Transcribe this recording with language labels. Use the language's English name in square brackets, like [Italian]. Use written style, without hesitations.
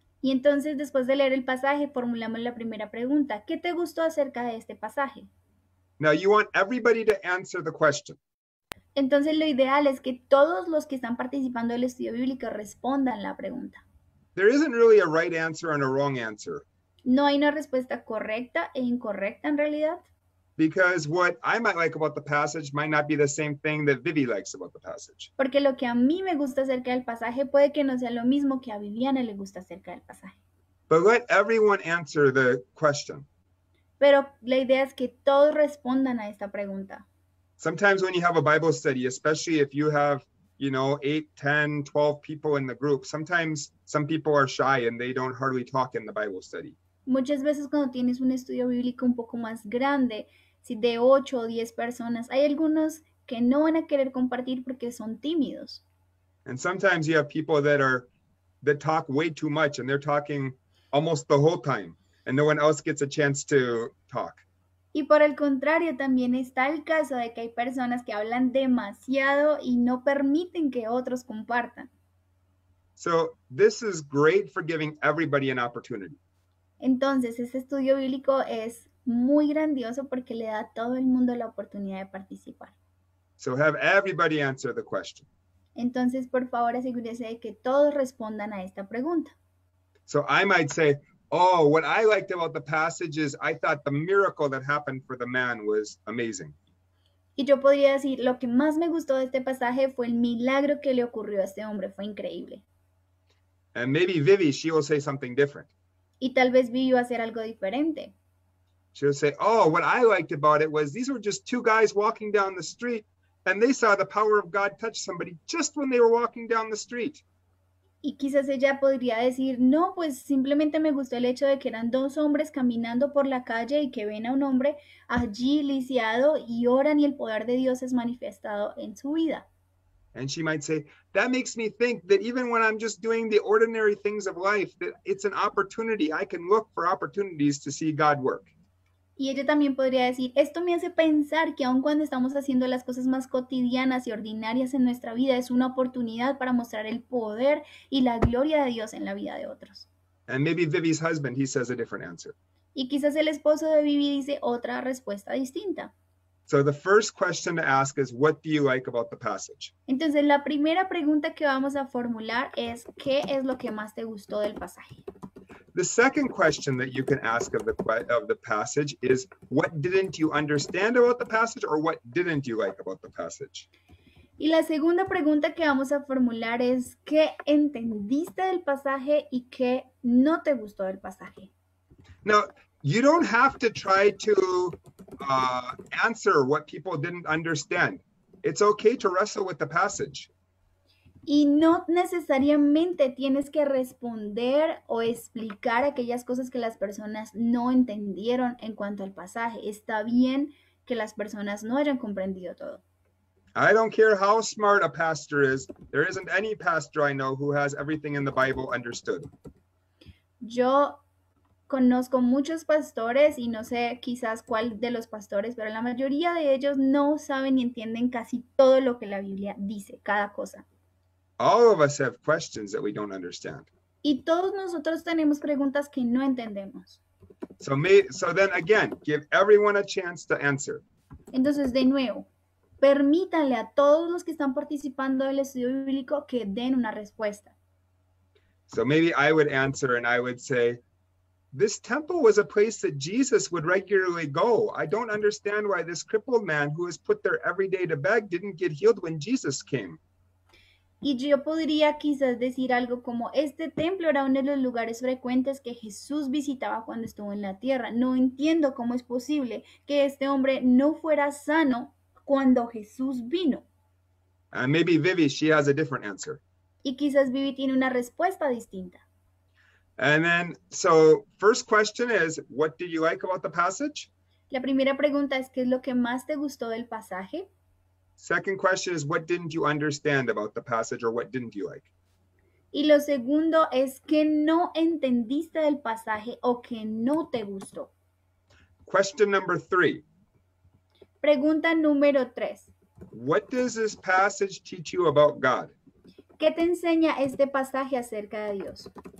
[Spanish] Y entonces, después de leer el pasaje, formulamos la primera pregunta. ¿Qué te gustó acerca de este pasaje? [English] Now, you want everybody to answer the question. [Spanish] Entonces, lo ideal es que todos los que están participando del estudio bíblico respondan la pregunta. [English] There isn't really a right answer and a wrong answer. [Spanish] No hay una respuesta correcta e incorrecta en realidad. [English] Because what I might like about the passage might not be the same thing that Vivi likes about the passage. [Spanish] Porque lo que a mí me gusta acerca del pasaje puede que no sea lo mismo que a Viviana le gusta acerca del pasaje. [English] But let everyone answer the question. [Spanish] Pero la idea es que todos respondan a esta pregunta. [English] Sometimes when you have a Bible study, especially if you have, you know, 8, 10, 12 people in the group, sometimes some people are shy and they don't hardly talk in the Bible study. [Spanish] Muchas veces cuando tienes un estudio bíblico un poco más grande, si de 8 o 10 personas, hay algunos que no van a querer compartir porque son tímidos. [English] And sometimes you have people that talk way too much and they're talking almost the whole time and no one else gets a chance to talk. [Spanish] Y por el contrario, también está el caso de que hay personas que hablan demasiado y no permiten que otros compartan. [English] So, this is great for giving everybody an opportunity. [Spanish] Entonces, este estudio bíblico es muy grandioso porque le da a todo el mundo la oportunidad de participar. [English] So, have everybody answer the question. [Spanish] Entonces, por favor, asegúrese de que todos respondan a esta pregunta. [English] So, I might say, oh, what I liked about the passage is I thought the miracle that happened for the man was amazing. [Spanish] Y yo podría decir, lo que más me gustó de este pasaje fue el milagro que le ocurrió a este hombre. Fue increíble. [English] And maybe Vivi, she will say something different. [Spanish] Y tal vez Vivi va a hacer algo diferente. [English] She'll say, oh, what I liked about it was these were just two guys walking down the street and they saw the power of God touch somebody just when they were walking down the street. [Spanish] Y quizás ella podría decir, no, pues simplemente me gustó el hecho de que eran dos hombres caminando por la calle y que ven a un hombre allí lisiado y oran y el poder de Dios es manifestado en su vida. [English] And she might say, that makes me think that even when I'm just doing the ordinary things of life, that it's an opportunity. I can look for opportunities to see God work. [Spanish] Y ella también podría decir, esto me hace pensar que aun cuando estamos haciendo las cosas más cotidianas y ordinarias en nuestra vida, es una oportunidad para mostrar el poder y la gloria de Dios en la vida de otros. [English] And maybe Vivi's husband, he says a different answer. [Spanish] Y quizás el esposo de Vivi dice otra respuesta distinta. [English] So the first question to ask is, what do you like about the passage? [Spanish] Entonces la primera pregunta que vamos a formular es, ¿qué es lo que más te gustó del pasaje? [English] The second question that you can ask of the passage is, what didn't you understand about the passage or what didn't you like about the passage? [Spanish] Y la segunda pregunta que vamos a formular es, ¿qué entendiste del pasaje y qué no te gustó del pasaje? [English] Now, you don't have to try to answer what people didn't understand. It's okay to wrestle with the passage. [Spanish] Y no necesariamente tienes que responder o explicar aquellas cosas que las personas no entendieron en cuanto al pasaje. Está bien que las personas no hayan comprendido todo. [English] I don't care how smart a pastor is. There isn't any pastor I know who has everything in the Bible understood. [Spanish] Yo conozco muchos pastores y no sé quizás cuál de los pastores, pero la mayoría de ellos no saben y entienden casi todo lo que la Biblia dice, cada cosa. [English] All of us have questions that we don't understand. [Spanish] Y todos nosotros tenemos preguntas que no entendemos. [English] So then again, give everyone a chance to answer. [Spanish] Entonces, de nuevo, permítanle a todos los que están participando del estudio bíblico que den una respuesta. [English] So maybe I would answer and I would say, this temple was a place that Jesus would regularly go. I don't understand why this crippled man who was put there every day to beg didn't get healed when Jesus came. [Spanish] Y yo podría quizás decir algo como, este templo era uno de los lugares frecuentes que Jesús visitaba cuando estuvo en la tierra. No entiendo cómo es posible que este hombre no fuera sano cuando Jesús vino. [English] And maybe Vivi, she has a different answer. [Spanish] Y quizás Vivi tiene una respuesta distinta. [English] And then, so, first question is, what did you like about the passage? [Spanish] La primera pregunta es, ¿qué es lo que más te gustó del pasaje? [English] Second question is, what didn't you understand about the passage or what didn't you like? [Spanish] Y lo segundo es, ¿qué no entendiste del pasaje o qué no te gustó? [English] Question number three. [Spanish] Pregunta número tres. [English] What does this passage teach you about God? [Spanish] ¿Qué te enseña este pasaje acerca de Dios?